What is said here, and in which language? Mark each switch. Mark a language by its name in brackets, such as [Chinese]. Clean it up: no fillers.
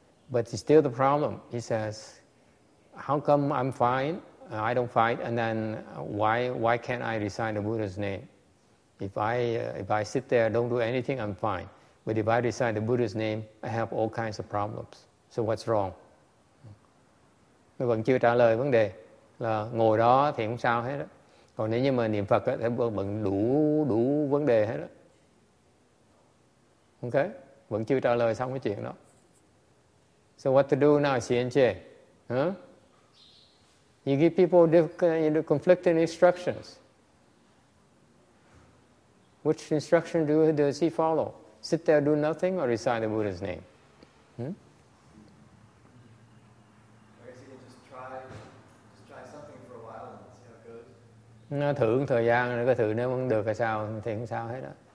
[English] But it's still the problem. He says, how come I'm fine, I don't fight, and then why can't I recite the Buddha's name? If I sit there, don't do anything, I'm fine. But if I recite the Buddha's name, I have all kinds of problems. So what's wrong? [Vietnamese] Mình vẫn chưa trả lời vấn đề là ngồi đó thì không sao hết đó. Còn nếu như mà niệm Phật thì vẫn đủ vấn đề hết đó. Ok? Vẫn chưa trả lời xong cái chuyện đó. [English] So what to do now, Xian Jie? Huh? You give people different conflicting instructions. Which instruction does he follow? Sit there, do nothing, or recite the Buddha's name? Or is he going to just try something for a while and see how good? [Vietnamese] Nó thử một thời gian rồi có thử, nếu không được thì sao, thì không sao hết đó.